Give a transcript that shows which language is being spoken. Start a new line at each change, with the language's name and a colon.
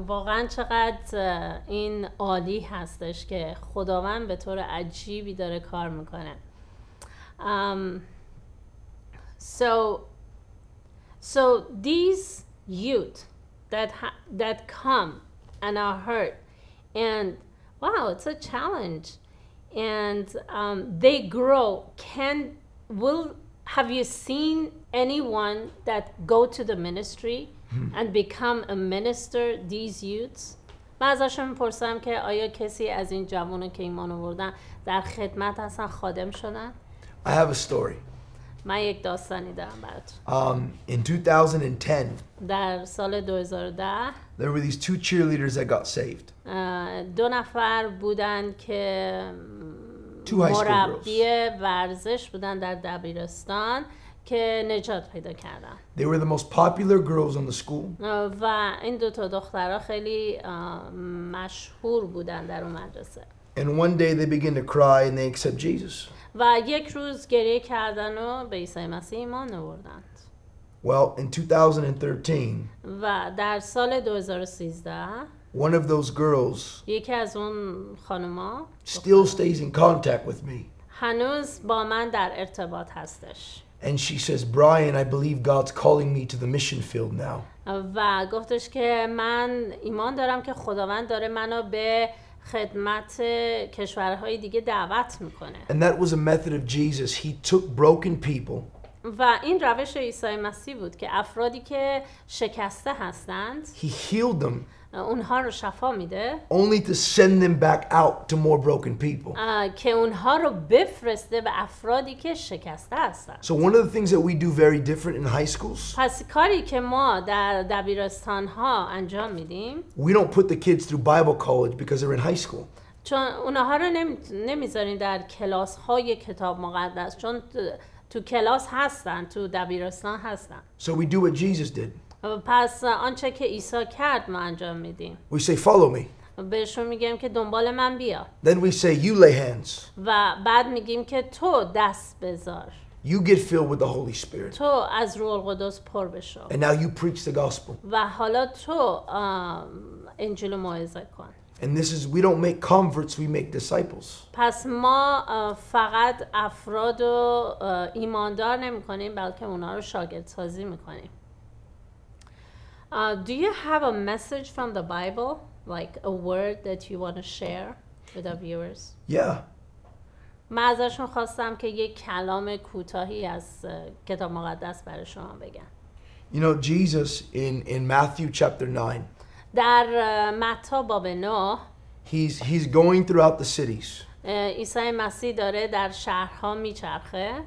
Persian: واقعا چقدر این عالی هستش که خداوند به طور عجیبی داره کار میکنه.
English: So these youth that come and are hurt and wow, it's a challenge. And they grow. Have you seen anyone that go to the ministry and become a minister? These youths.
Persian: من ازشون میپرسم که آیا کسی از این جوانان که ایمان آوردن در خدمت هستن خادم شدن؟
English: I have a story.
Persian: من یک داستانی دارم برات.
English: In 2010.
Persian: در سال 2010.
English: There were these two cheerleaders that got saved.
Persian: دو نفر بودن که
English: two high school
Persian: مربی ورزش بودن در دبیرستان که نجات پیدا کردن.
English: They were the most popular girls on the school.
Persian: و این دو تا دخترها خیلی مشهور بودن در اون مدرسه.
English: And one day they begin to cry and they accept Jesus.
Persian: و یک روز گریه کردن و به عیسی مسیح ایمان آوردن.
English: Well, in 2013.
Persian: و در سال 2013.
English: One of those girls.
Persian: یکی از اون خانما.
English: Still stays in contact with me.
Persian: هنوز با من در ارتباط هستش.
English: And she says, Brian, I believe God's calling me to the mission field now.
Persian: و گفتش که من ایمان دارم که خداوند داره منو به خدمت کشورهای دیگه دعوت میکنه.
English: And that was a method of Jesus. He took broken people.
Persian: و این روش عیسی مسیح بود که افرادی که شکسته هستند
English: He healed them
Persian: اونها رو شفا میده
English: only to send them back out to more broken people
Persian: که اونها رو بفرسته به افرادی که شکسته هستند.
English: So one of the things that we do very different in high schools
Persian: پس کاری که ما در دبیرستان ها انجام میدیم
English: We don't put the kids through Bible college because they're in high school
Persian: چون اونها رو نمیذاریم در کلاس های کتاب مقدس چون تو کلاس هستن تو دبیرستان هستن
English: So we do what Jesus did
Persian: پس آنچه که عیسی کرد ما انجام میدیم.
English: We say follow me.
Persian: بهشون میگیم که دنبال من بیا.
English: Then we say you lay hands.
Persian: و بعد میگیم که تو دست بذار.
English: You get filled with the Holy Spirit.
Persian: تو از روح القدس پر بشو.
English: And now you preach the gospel.
Persian: و حالا تو انجیل رو موعظه کن.
English: And this is we don't make converts, we make disciples.
Persian: پس ما فقط افراد و ایماندار نمی‌کنیم بلکه اونا رو شاگردسازی می‌کنیم.
English: Do you have a message from the Bible, like a word that you want to share with our viewers? Yeah.
Persian: من ازشون خواستم که یک کلام کوتاهی از کتاب مقدس برای شما بگم.
English: You know, Jesus in Matthew chapter 9.
Persian: در متا باب 9.
English: He's going throughout the cities.
Persian: عیسی مسیح داره در شهرها میچرخه.